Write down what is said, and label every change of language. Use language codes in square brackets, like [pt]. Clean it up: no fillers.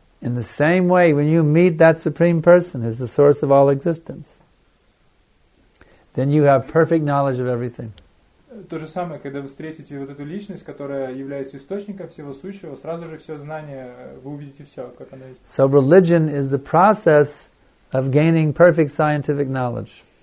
[en] In the same way, when you meet that supreme person who is the source of all existence, then you have perfect knowledge of everything. [ru] То же самое, когда вы встретите вот эту личность, которая является источником всего сущего, сразу же все знание, вы увидите все, как оно есть. [en] So religion is the process of gaining perfect scientific knowledge.